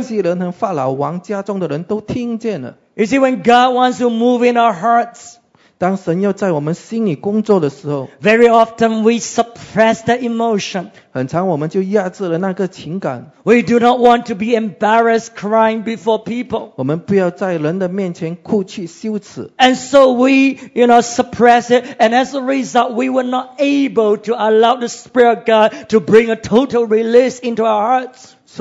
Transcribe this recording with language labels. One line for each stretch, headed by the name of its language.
Chinese: 吩咐一声说，人都要离开我出去。约瑟和弟兄们相认的时候，并没有一人站在他们他面前，他就放声大哭。埃及人和法老王家中的人都听见了。
English: You see, when God wants to move in our hearts,
Chinese: 当神要在我们心里工作的时候,
English: very often we suppress the emotion.
Chinese: 很常我们就压制了那个情感。
English: We do not want to be embarrassed crying before people.
Chinese: 我们不要在人的面前哭泣羞耻。
English: And so we, you know, suppress it, and as a result, we were not able to allow the Spirit of God to bring a total release into our hearts.